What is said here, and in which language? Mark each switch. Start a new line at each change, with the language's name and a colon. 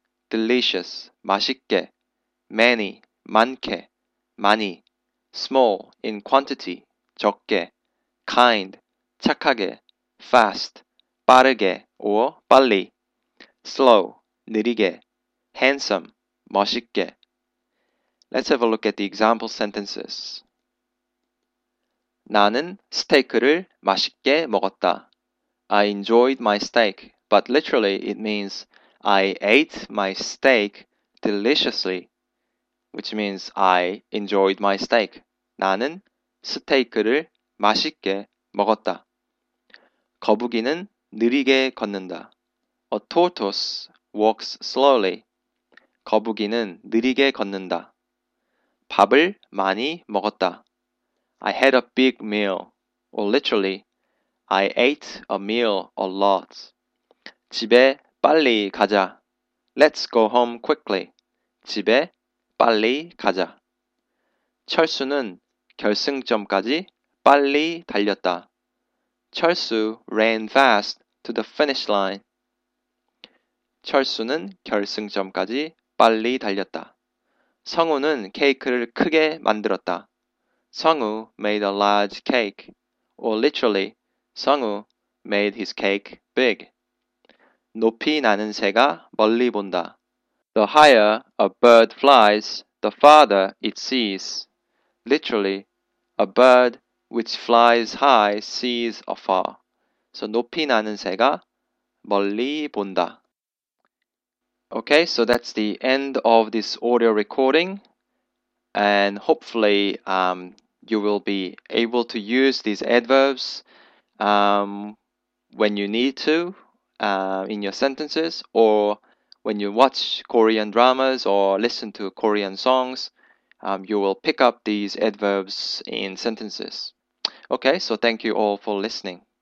English: Delicious,
Korean: 맛있게, many, 많게, 많이,
English: small, in quantity, 적게, kind, 착하게, fast, 빠르게, or 빨리, slow, 느리게, handsome, 멋있게. Let's have a look at the example sentences.
Korean: 나는 스테이크를 맛있게 먹었다.
English: I enjoyed my steak, but literally it means I ate my steak deliciously, which means I enjoyed my steak.
Korean: 나는 스테이크를 맛있게 먹었다. 거북이는 느리게 걷는다.
English: A tortoise walks slowly.
Korean: 거북이는 느리게 걷는다. 밥을 많이 먹었다.
English: I had a big meal, or literally, I ate a meal a lot.
Korean: 집에 빨리 가자.
English: Let's go home quickly.
Korean: 집에 빨리 가자. 철수는 결승점까지 빨리 달렸다.
English: 철수 ran fast to the finish line. 철수는 결승점까지 빨리 달렸다.
Korean: 성우는 케이크를 크게 만들었다.
English: 성우 made a large cake. Or literally, 성우 made his cake big.
Korean: 높이 나는 새가 멀리 본다.
English: The higher a bird flies, the farther it sees. Literally, a bird which flies high sees afar. So,
Korean: 높이 나는 새가 멀리 본다.
English: Okay, so that's the end of this audio recording. And hopefully, you will be able to use these adverbs when you need to. In your sentences, or when you watch Korean dramas or listen to Korean songs, you will pick up these adverbs in sentences. Okay, so thank you all for listening.